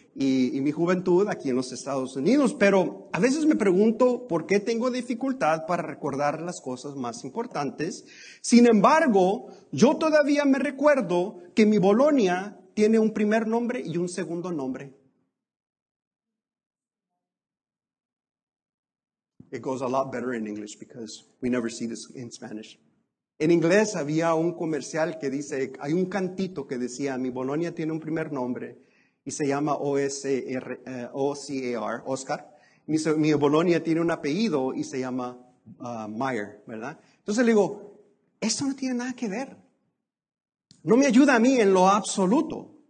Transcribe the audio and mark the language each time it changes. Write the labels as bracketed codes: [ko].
[es] Y mi juventud aquí en los Estados Unidos, pero a veces me pregunto por qué tengo dificultad para recordar las cosas más importantes. Sin embargo, yo todavía me recuerdo que mi Bolonia tiene un primer nombre y un segundo nombre. [en] It goes a lot better in English because we never see this in Spanish. [es] En inglés había un comercial que dice, hay un cantito que decía, mi Bolonia tiene un primer nombre. Y se llama O-C-A-R, Oscar. Mi Bolonia tiene un apellido y se llama Meyer, ¿verdad? Entonces le digo, eso no tiene nada que ver. No me ayuda a mí en lo absoluto.